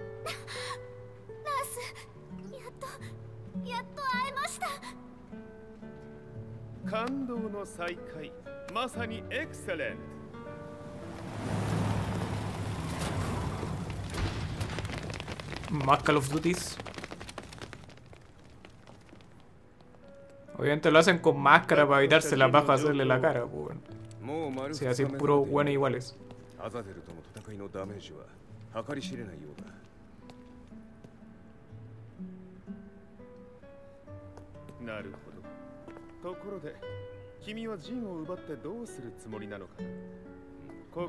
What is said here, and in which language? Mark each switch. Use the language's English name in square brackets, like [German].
[Japanese] ラス、やっとやっと会えました。感動の再会。まさにエクセレント。マッカルフドゥティス。 [Spanish] Obviamente lo hacen con máscara para evitarse las bajas de la cara, weón. [Japanese] もう丸くて [Spanish] puro bueno iguales。 [Japanese] アザゼルとの戦いのダメージは計り知れないようだ。なるほど。ところで。君はジンを奪ってどうするつもりなのかな。